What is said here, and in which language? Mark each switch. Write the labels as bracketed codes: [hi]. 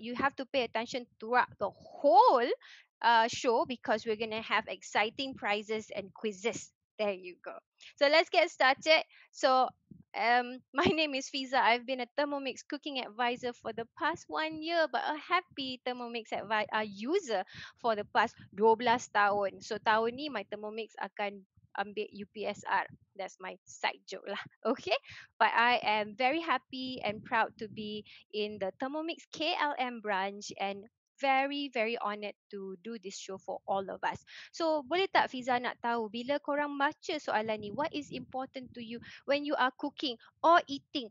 [en] You have to pay attention throughout the whole show because we're going to have exciting prizes and quizzes. There you go. So let's get started. So my name is Fiza. I've been a Thermomix cooking advisor for the past 1 year, but a happy Thermomix user for the past 12 tahun. [ms] So tahun ni my Thermomix akan ambil UPSR. [en] That's my side joke lah. Okay. But I am very happy and proud to be in the Thermomix KLM branch and very, very honoured to do this show for all of us. So, [ms] boleh tak Fiza nak tahu bila korang baca soalan ni, [en] what is important to you when you are cooking or eating?